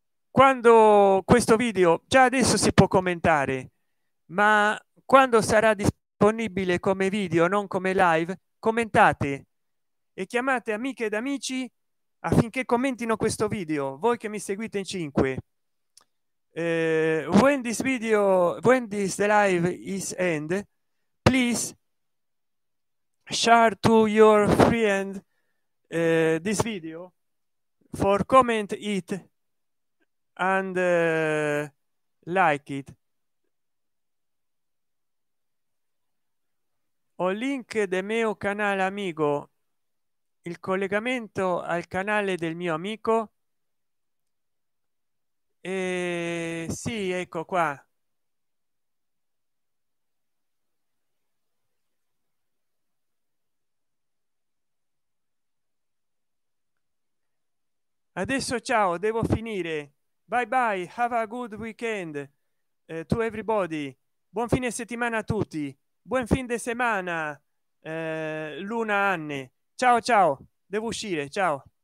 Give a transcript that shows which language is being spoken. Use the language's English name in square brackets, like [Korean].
[Italian] Quando questo video, già adesso si può commentare. Ma quando sarà disponibile come video, non come live, commentate e chiamate amiche ed amici affinché commentino questo video. Voi che mi seguite in 5. [English] When this video, when this live is end, please share to your friend this video for comment it and like it. [Italian] Link del mio canale amico, il collegamento al canale del mio amico. E sì, ecco qua. Adesso ciao, devo finire. [English] Bye bye, have a good weekend to everybody. [Italian] Buon fine settimana a tutti. Buon fin di settimana, Luna Anne. Ciao, ciao. Devo uscire. Ciao.